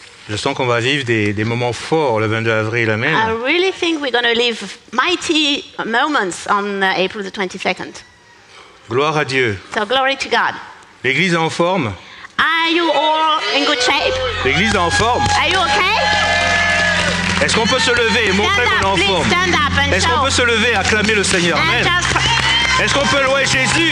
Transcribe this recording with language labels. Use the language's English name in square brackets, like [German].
[French] Je sens qu'on va vivre des moments forts le 22 avril. [English] Amen. I really think we're going to live mighty moments on April the 22nd. [French] Gloire à Dieu. [English] So glory to God. [French] L'église est en forme. [English] Are you all in good shape? [French] L'église est en forme. [English] Are you okay? [French] Est-ce qu'on peut se lever et montrer qu'on est en forme? [English] Stand up and [French] Est-ce qu'on peut se lever et acclamer le Seigneur? [English] Amen. [French] Est-ce qu'on peut louer Jésus?